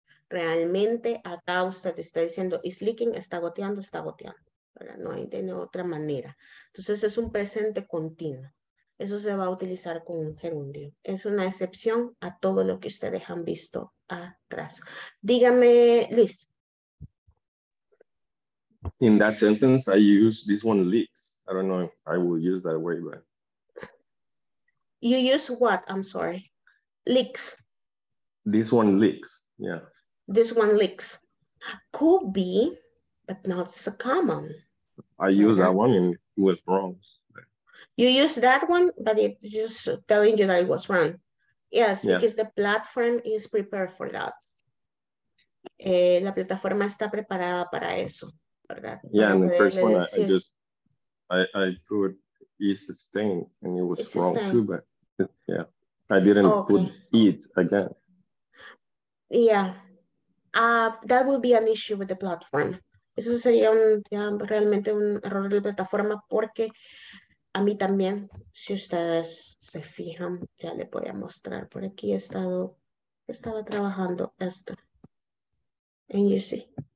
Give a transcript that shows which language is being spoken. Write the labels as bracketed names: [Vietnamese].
[Spanish] Realmente acá usted está diciendo, [English] is leaking, [Spanish] está goteando, ¿verdad? No hay de otra manera. Entonces es un presente continuo. Eso se va a utilizar con un gerundio. Es una excepción a todo lo que ustedes han visto atrás. Dígame, Luis. [English] In that sentence, I use this one, leaks. I don't know if I will use that way, but... You use what? I'm sorry. Leaks. This one leaks, yeah. This one leaks. Could be, but not so common. I use okay. that one and it was wrong. You use that one, but it's just telling you that it was wrong. Yes, yeah. Because the platform is prepared for that. [Spanish] La plataforma está preparada para eso, ¿verdad? [English] Yeah, [Spanish] para [English] and the first one, decir. I put is the stain, and it was it's wrong too, but yeah. I didn't okay. put it again. Yeah, that would be an issue with the platform. [Spanish] Eso sería realmente un error de la plataforma porque... A mí también, si ustedes se fijan, ya le voy a mostrar. Por aquí he estado, estaba trabajando esto. [English] And you see.